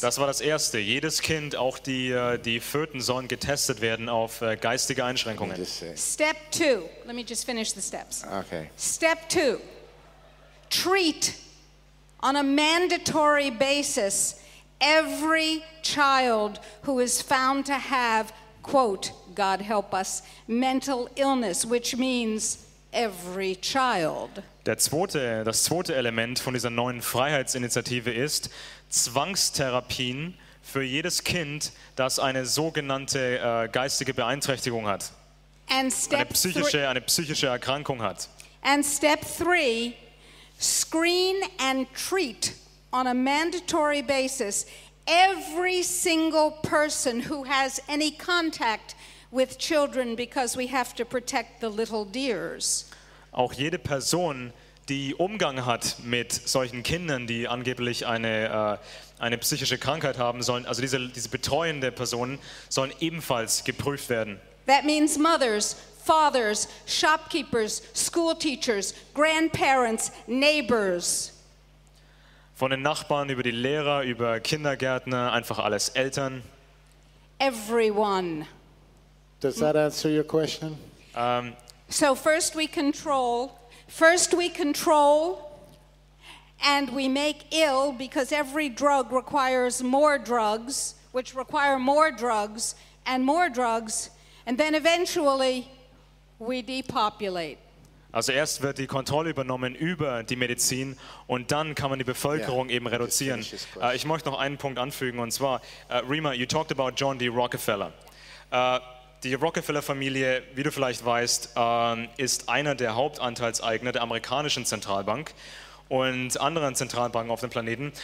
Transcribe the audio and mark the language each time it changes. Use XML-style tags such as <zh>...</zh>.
<de>Das war das Erste. Jedes Kind, auch die Föten, sollen getestet werden auf geistige Einschränkungen.</de> <en>Step 2, let me just finish the steps. Okay. Step 2. Treat on a mandatory basis every child who is found to have, quote, God help us, mental illness, which means every child.</en> <de>Das zweite Element von dieser neuen Freiheitsinitiative ist Zwangstherapien für jedes Kind, das eine sogenannte geistige Beeinträchtigung hat.</de> <en>And step</en> <de>eine psychische Erkrankung hat.</de> <en>And step 3, screen and treat on a mandatory basis every single person who has any contact with children, because we have to protect the little dears.</en> <de>Auch jede Person, die Umgang hat mit solchen Kindern, die angeblich eine psychische Krankheit haben sollen, also diese betreuende Personen sollen ebenfalls geprüft werden.</de> <en>That means mothers, fathers, shopkeepers, school teachers, grandparents, neighbors.</en> <de>Von den Nachbarn über die Lehrer, über Kindergärtner, einfach alles, Eltern.</de> <en>Everyone. Does that answer your question? So first we control and we make ill, because every drug requires more drugs, which require more drugs and more drugs, and then eventually we depopulate.</en> <de>Also erst wird die Kontrolle übernommen über die Medizin, und dann kann man die Bevölkerung eben reduzieren. Ich möchte noch einen Punkt anfügen, und zwar, Rima,</de> <en>you talked about John D. Rockefeller.</en> <de>Die Rockefeller-Familie, wie du vielleicht weißt, ist einer der Hauptanteilseigner der amerikanischen Zentralbank und anderen Zentralbanken auf dem Planeten.</de>